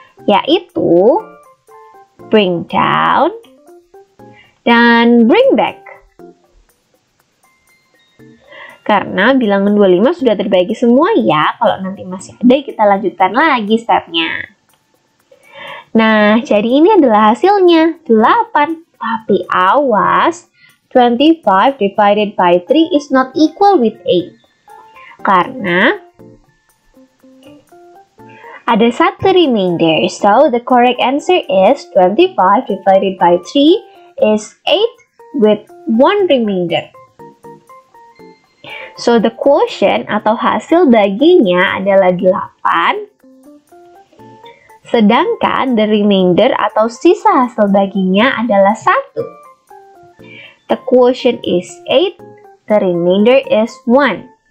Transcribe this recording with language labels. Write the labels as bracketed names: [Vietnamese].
[English] Yaitu, bring down dan bring back. [Indonesian] Karena bilangan 25 sudah terbagi semua ya, kalau nanti masih ada kita lanjutkan lagi stepnya. Nah, jadi ini adalah hasilnya, 8. Tapi awas, [English] 25 divided by 3 is not equal with 8. [Indonesian] Karena ada satu [English] remainder, so the correct answer is 25 divided by 3 is 8 with one remainder. [Indonesian] So [English] the quotient [Indonesian] atau hasil baginya adalah 8. Sedangkan [English] the remainder [Indonesian] atau sisa hasil baginya adalah 1. [English] The quotient is 8, the remainder is 1.